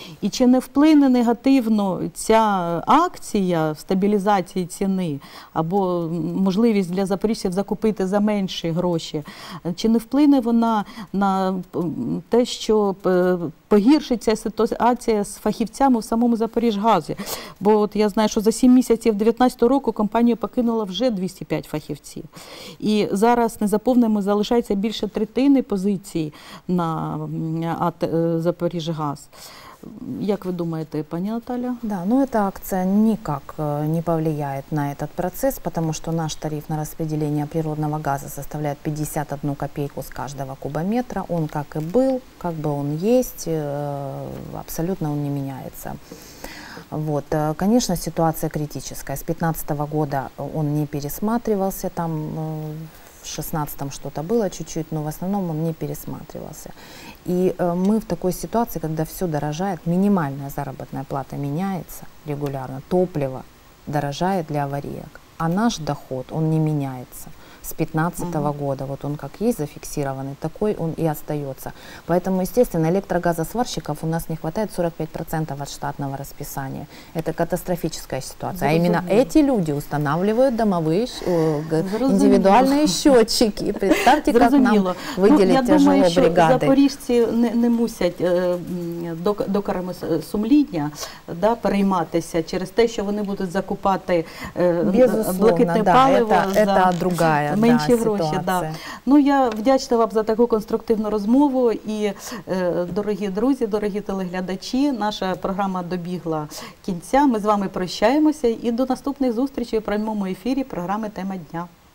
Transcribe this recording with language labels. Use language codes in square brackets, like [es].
[uk] І чи не вплине негативно ця акція стабілізації ціни або можливість для запоріжців закупити за менші гроші, чи не вплине вона на те, що погіршиться ситуація з фахівцями в самому Запоріжгазі? Бо от я знаю, що за 7 місяців 2019 року компанію покинуло вже 205 фахівців. І зараз незаповненими залишається більше третини позицій на Запоріжгаз. Як ви думаєте, пані Наталя? [ru] Да, ну, эта акция никак не повлияет на этот процесс, потому что наш тариф на распределение природного газа составляет 51 копейку с каждого кубометра. Он как и был, как бы он есть, абсолютно он не меняется. Вот. Конечно, ситуация критическая. С 2015 года он не пересматривался, там в 2016 что-то было чуть-чуть, но в основном он не пересматривался. И мы в такой ситуации, когда все дорожает, минимальная заработная плата меняется регулярно, топливо дорожает для аварийок, а наш доход, он не меняется. С 2015 года, вот он как есть зафиксированный, такой он и остается. Поэтому, естественно, электрогазосварщиков у нас не хватает 45% от штатного расписания. Это катастрофическая ситуация. А именно эти люди устанавливают домовые, индивидуальные счетчики. Представьте, как нам выделить тяжело бригади. [uk] Я думаю, що запоріжці не мусять докарами сумління, да, перейматися через те, що вони будуть закупати блакитне паливо. [ru] Безусловно, це другая. [uk] Менші гроші, да. Ну, я вдячна вам за таку конструктивну розмову. І, дорогі друзі, дорогі телеглядачі, наша програма добігла кінця. Ми з вами прощаємося і до наступних зустрічей у прямому ефірі програми «Тема дня».